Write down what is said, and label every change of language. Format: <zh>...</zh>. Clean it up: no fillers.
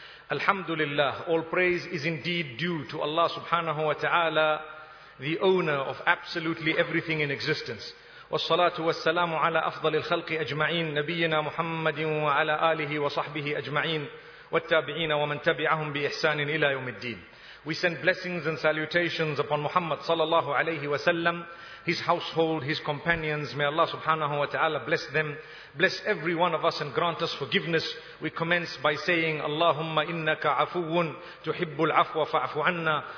<en>Alhamdulillah, all praise is indeed due to Allah subhanahu wa ta'ala, the owner of absolutely everything in existence.</en> <ar>والصلاة والسلام على أفضل الخلق أجمعين نبينا محمد وعلى آله وصحبه أجمعين والتابعين ومن تبعهم بإحسان إلى يوم الدين.</ar> <en>We send blessings and salutations upon Muhammad sallallahu alayhi wa sallam, his household, his companions. May Allah subhanahu wa ta'ala bless them, bless every one of us and grant us forgiveness. We commence by saying,</en> <ar>Allahumma innaka afuun tuhibbul afwa fa'afu anna.</ar>